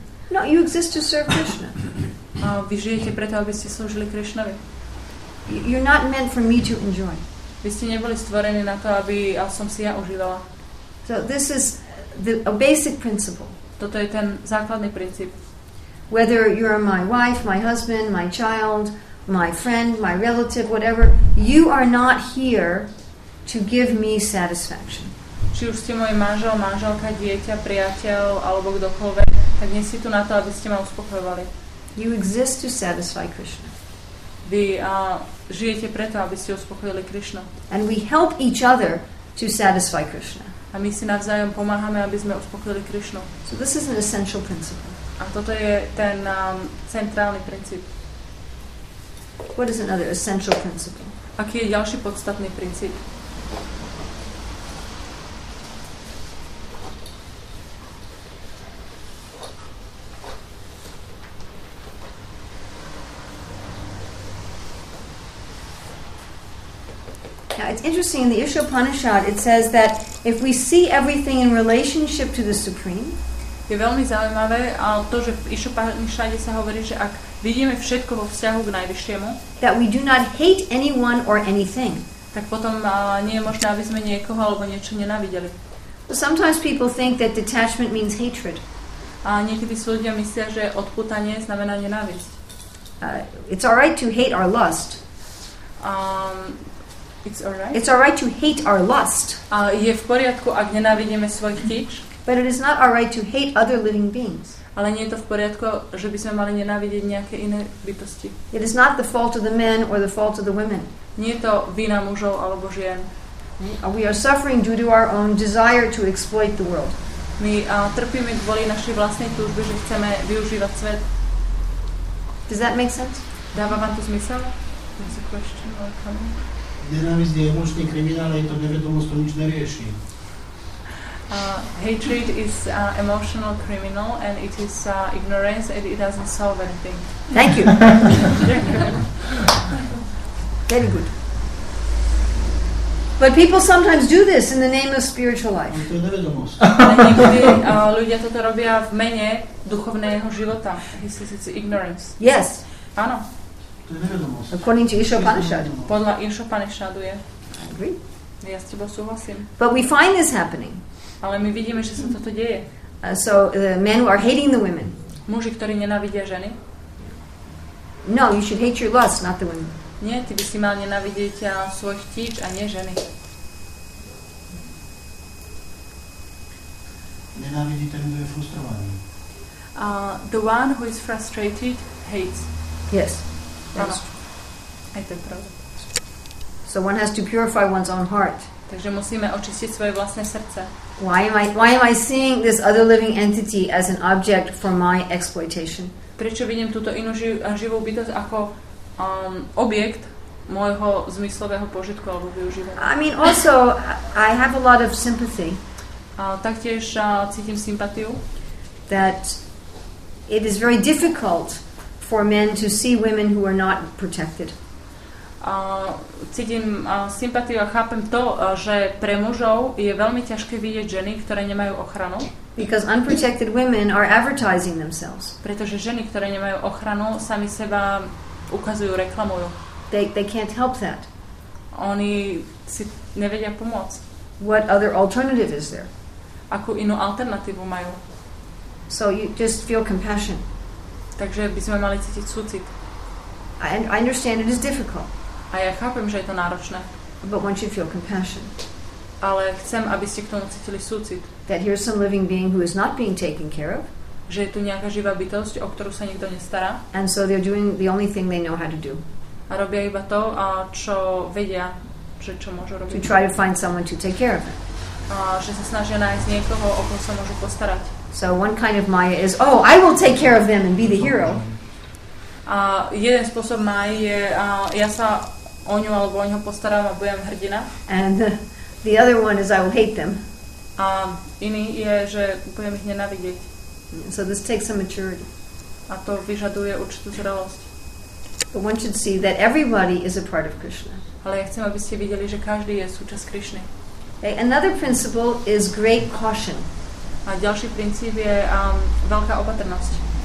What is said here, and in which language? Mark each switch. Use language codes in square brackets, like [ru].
[en] No, you exist to serve Krishna. [sk] Vy žijete preto, aby ste slúžili Krishnovi. [en] You're not meant for me to enjoy. [sk] Vy ste neboli stvorení na to, aby som si ja užívala. [en] So this is a basic principle. [sk] Toto je ten základný princíp. [en] Whether you are my wife, my husband, my child, my friend, my relative, whatever, you are not here to give me satisfaction. [sk] Či už ste môj manžel, manželka, dieťa, priateľ alebo kdokoľvek, tak nie si tu na to, aby ste ma uspokojovali. [en] You exist to satisfy Krishna. [sk] Vy žijete preto, aby ste uspokojili Krishna. [en] And we help each other to satisfy Krishna. [sk] A my si navzájom pomáhame, aby sme uspokojili Krishnu. [en] So this is an essential principle. [sk] A toto je ten centrálny princíp. [en] What is another essential principle? [sk] Aký je ďalší podstatný princíp? Hmm. [en] it's interesting, in the Isha Upanishad it says that if we see everything in relationship to the Supreme, [sk] je veľmi zaujímavé a to, že v Isha Upanishade sa hovorí, že ak vidíme všetko vo vzťahu k najvyššiemu, [en] that we do not hate anyone or anything, [sk] tak potom nie je možné, aby sme niekoho alebo niečo nenávideli. [en] Sometimes people think that detachment means hatred. [sk] A niekedy si ľudia myslia, že odputanie znamená nenávisť. [en] It's all right to hate our lust. It's all right to hate our lust. [sk] Je v poriadku, ak nenávidíme svoj chtič. [en] But it is not all right to hate other living beings. [sk] Ale nie je to v poriadku, že by sme mali nenávidieť nejaké iné bytosti. [en] It is not the fault of the men or the fault of the women. [sk] Nie je to vina mužov alebo žien. [en] We are suffering due to our own desire to exploit the world. [sk] My trpíme kvôli našej vlastnej túžbe, že chceme využívať svet. [en] Does that make sense? [sk] Dáva vám to zmysel? [en] There's a question or comment? [sk] Nenávisť je emočný kriminál, je to nevedomosť, to nič nerieši. [en] Hatred is emotional criminal and it is ignorance and it doesn't solve anything. Thank you. Very good. But people sometimes do this in the name of spiritual life. [sk] To je nevedomosť. Niekedy ľudia toto robia v mene duchovného života. [en] It's ignorance. Yes. [sk] Áno. To je nevedomosť. [en] According to Isha Upanishad. [sk] Podľa Isha Upanishadu je. [en] I agree. [sk] Ja s tebou súhlasím. [en] But we find this happening. [sk] Ale my vidíme, že sa toto deje. [en] So the men who are hating the women. [sk] Muži, ktorí nenávidia ženy. [en] No, you should hate your lust, not the women. [sk] Nie, ty by si mal nenávidieť svoj chtič a nie ženy. Nenávidí ten, kto je frustrovaný. [en] The one who is frustrated hates. Yes. [sk] Aj to je pravda. [en] So one has to purify one's own heart. [sk] Takže musíme očistiť svoje vlastné srdce. [en] Why am I seeing this other living entity as an object for my exploitation? [sk] Prečo vidím túto inú živú bytosť ako objekt môjho zmyslového požitku alebo využívania? [en] I mean, also, I have a lot of sympathy. [sk] Taktiež cítim sympatiu. [en] That it is very difficult for men to see women who are not protected. [sk] Cítim sympatiu a chápem to, že pre mužov je veľmi ťažké vidieť ženy, ktoré nemajú ochranu. [en] Because unprotected women are advertising themselves. [sk] Pretože ženy, ktoré nemajú ochranu, sami seba ukazujú, reklamujú. [en] They can't help that. [sk] Oni si nevedia pomôcť. [en] What other alternative is there? [sk] Akú inú alternatívu majú? [en] So you just feel compassion. [sk] Takže by sme mali cítiť súcit. [en] I understand it is difficult. [sk] A ja chápem, že je to náročné. [en] But once you feel compassion. [sk] Ale chcem, aby ste k tomu cítili súcit. [en] That here's some living being who is not being taken care of. [sk] Že je tu nejaká živá bytosť, o ktorú sa nikto nestará. [en] And so they're doing the only thing they know how to do. [sk] A robia iba to, a čo vedia, že čo môžu robiť. [en] To try to find someone to take care of it. [sk] A že sa snažia nájsť niekoho, o koho sa môžu postarať. [en] So one kind of Maya is, oh, I will take care of them and be the hero. [sk] A jeden spôsob Maya je, ja sa o ňu alebo o ňoho postaram a budem hrdina. [en] And the other one is, I will hate them. [sk] A iný je, že budem ich nenávidieť. [en] So this takes some maturity. [sk] A to vyžaduje určitú zrelosť. [en] But one should see that everybody is a part of Krishna. [sk] Ale ja chcem, aby ste videli, že každý je súčasť Krishny. [en] Okay. Another principle is great caution. [sk] A ďalší princíp je veľká opatrnosť.